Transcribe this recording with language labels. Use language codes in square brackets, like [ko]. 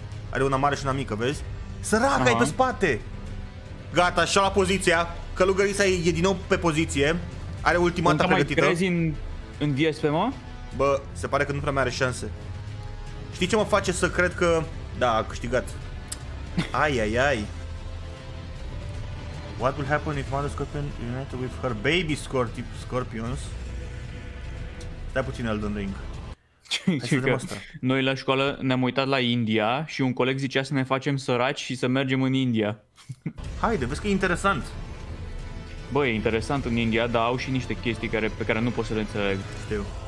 [ro] Are una mare și una mică, vezi? Săraca, e pe spate. Gata, și-a luat poziția. Călugărița e din nou pe poziție. Are ultimata încă pregătită. Încă mai crezi în viespe, mă? Bă, se pare că nu prea mai are șanse. Știi ce mă face să cred că... Da, a câștigat. Ai, ai, ai. [en] What will happen if mother scorpion united with her baby scorpions? [ro] Stai puțin, Elden Ring. Noi la școală ne-am uitat la India și un coleg zicea să ne facem săraci și să mergem în India. Haide, vezi că e interesant. Bă, e interesant în India, dar au și niște chestii care, pe care nu pot să le înțeleg. Știu.